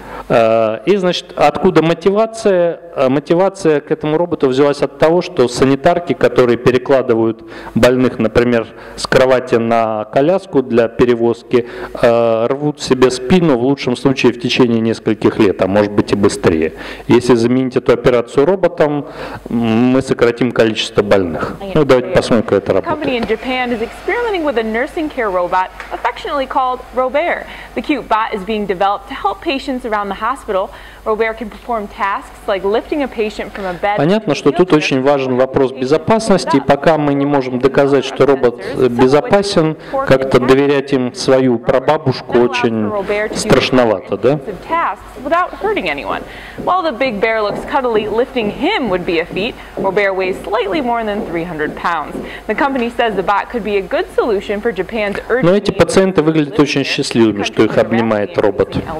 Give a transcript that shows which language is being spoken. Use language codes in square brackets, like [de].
[ru] И, значит, откуда мотивация? Мотивация к этому роботу взялась от того, что санитарки, которые перекладывают больных, например, с кровати на коляску для перевозки, рвут себе спину, в лучшем случае, в течение нескольких лет, а может быть и быстрее. Если заменить эту операцию роботом, мы сократим количество больных. Ну, давайте посмотрим, как это работает. Компания в Японии [en] is experimenting with a nursing care robot, affectionately called Robert. The cute bot is being developed to help patients around the hospital. Robert can perform tasks like lifting a patient from a bed. [ru] Понятно, что тут очень важен вопрос безопасности. И пока мы не можем доказать, что робот безопасен, как-то доверять им свою прабабушку очень страшновато, да? [en] Without hurting anyone. While the big bear looks cuddly, lifting him would be a feat. Robert weighs slightly more than 300 pounds. The company says the bot could be a good solution for Japan's urgent. [ru] Но эти пациенты выглядят очень счастливыми, что их обнимает робот.